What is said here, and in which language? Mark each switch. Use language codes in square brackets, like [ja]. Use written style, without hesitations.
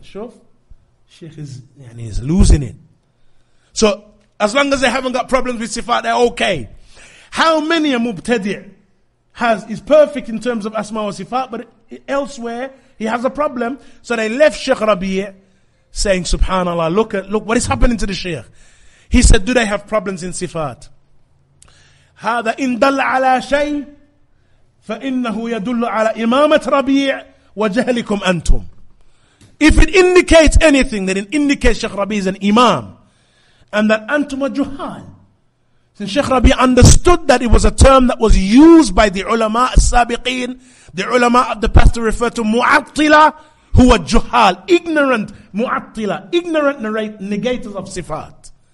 [en] Sure, Sheikh is losing it. So as long as they haven't got problems with sifat, they're okay. How many a mubtadi' is perfect in terms of asma and sifat, but elsewhere he has a problem? So they left Sheikh Rabi' saying, subhanallah, look what is happening to the Sheikh. He said, do they have problems in sifat? [ar] هذا إن دل على شيء فإنه يدل على إمامة ربيع وجهلكم أنتم. [en] If it indicates anything, then it indicates Sheikh Rabi is an imam, and that [ar] أنتم جهال. [en] Since Sheikh Rabi understood that it was a term that was used by the ulama السابقين, the ulama of the past, to refer to [ar] مُعَطِّلَ هو جهال, [en] ignorant مُعَطِّلَ, ignorant negators of sifat.